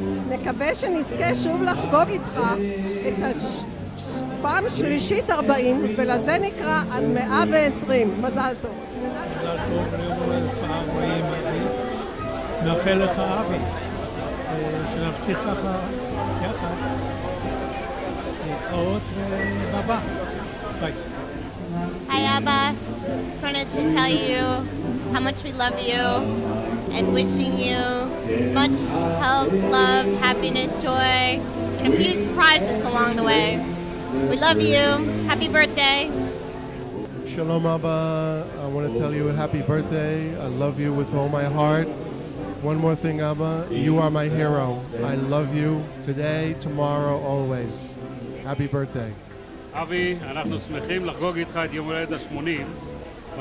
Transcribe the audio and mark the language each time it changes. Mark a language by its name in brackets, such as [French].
[Hebrew] נקווה שנזכה שוב לחגוג איתך את הפעם שלישית 40, ולזה נקרא עד 120. מזל טוב. מזל טוב, יום הולדת 40. נאחל לך, אבי, שנמשיך ככה יחד. [English] Hi Abba, just wanted to tell you how much we love you and wishing you much health, love, happiness, joy, and a few surprises along the way. We love you. Happy birthday. Shalom Abba, I want to tell you a happy birthday. I love you with all my heart. One more thing Abba, you are my hero. I love you today, tomorrow, always. Happy birthday. [Hebrew] אבי, אנחנו שמחים לחגוג איתך את יום הולדת ה-80.